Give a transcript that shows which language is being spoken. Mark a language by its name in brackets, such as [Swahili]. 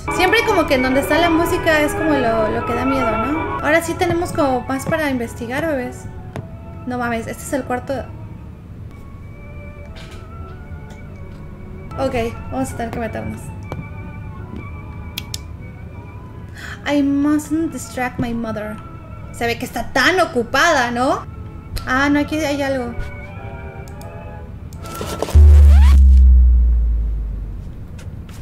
[Spanish] Siempre como que en donde está la música es como lo que da miedo, ¿no? Ahora sí tenemos como más para investigar, bebés. No mames, este es el cuarto. Ok, vamos a tener que meternos. [English] I mustn't distract my mother. [Spanish] Se ve que está tan ocupada, ¿no? Ah, no, aquí hay algo. Okay.